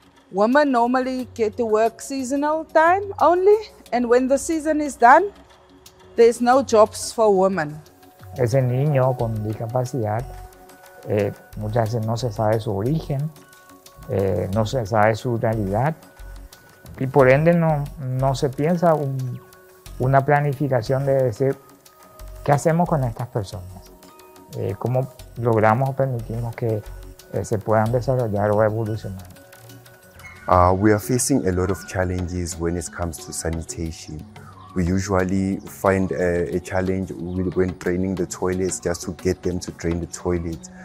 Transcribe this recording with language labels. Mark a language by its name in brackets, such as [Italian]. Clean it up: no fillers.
[English] Women normally get to work seasonal time only, and when the season is done, there's no jobs for women. [Spanish] Ese niño con discapacidad muchas veces no se sabe su origen, no se sabe su realidad, y por ende no se piensa una planificación de decir qué hacemos con estas personas, cómo logramos o permitimos que se puedan desarrollar o evolucionar. [English] We are facing a lot of challenges when it comes to sanitation. We usually find a challenge when draining the toilets, just to get them to drain the toilets.